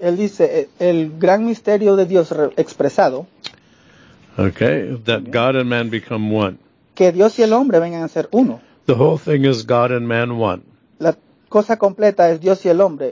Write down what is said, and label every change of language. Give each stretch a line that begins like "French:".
Spanish: Él dice, el gran misterio de Dios expresado.
English: Okay, that God and man become one.
Spanish: Que Dios y el hombre vengan a ser uno.
English: The whole thing is God and man one.
Spanish: La cosa completa es Dios y el hombre.